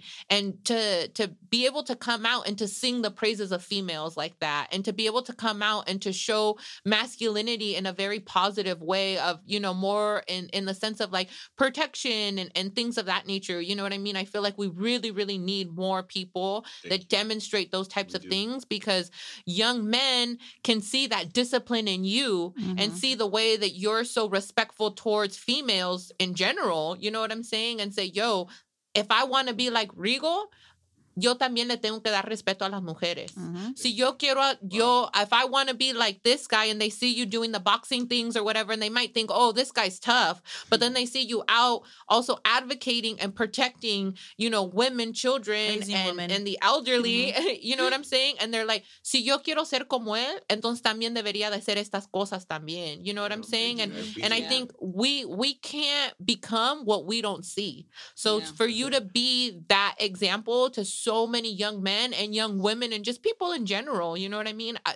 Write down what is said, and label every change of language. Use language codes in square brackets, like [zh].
[en] And to be able to come out and to sing the praises of females like that, and to be able to come out and to show masculinity in a very positive way of, you know, more in the sense of like protection and things of that nature. You know what I mean? I feel like we really, really need more people that demonstrate those types of things, because young men can see that discipline in you mm-hmm. and see the way that you're so respectful towards females in general. You know what I'm saying? And say, yo, if I want to be like Regal, [es] yo también le tengo que dar respeto a las mujeres. [en] Mm-hmm. [es] Si yo quiero, [en] yo, if I want to be like this guy and they see you doing the boxing things or whatever, and they might think, oh, this guy's tough. But then they see you out also advocating and protecting, you know, women, children, and the elderly. Mm-hmm. You know what I'm saying? And they're like, [es] si yo quiero ser como él, entonces también debería de hacer estas cosas también. [en] You know what I'm saying? And I think we can't become what we don't see. So yeah. For you to be that example to so many young men and young women and just people in general, you know what I mean?